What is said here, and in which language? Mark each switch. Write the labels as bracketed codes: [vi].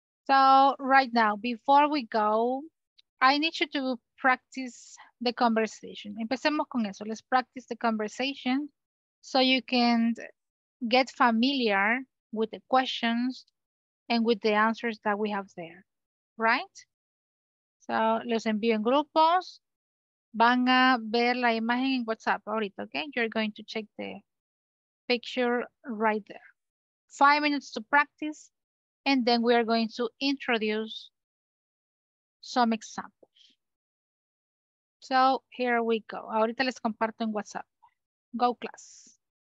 [en] So right now, before we go, I need you to practice the conversation. [es] Empecemos con eso. [en] Let's practice the conversation so you can get familiar with the questions and with the answers that we have there, right? [es] So, los envío en grupos. Van a ver la imagen en WhatsApp ahorita, okay? [en] You're going to check the picture right there. 5 minutes to practice, and then we are going to introduce some examples. So, here we go. [es] Ahorita les comparto en WhatsApp. [en] Go class.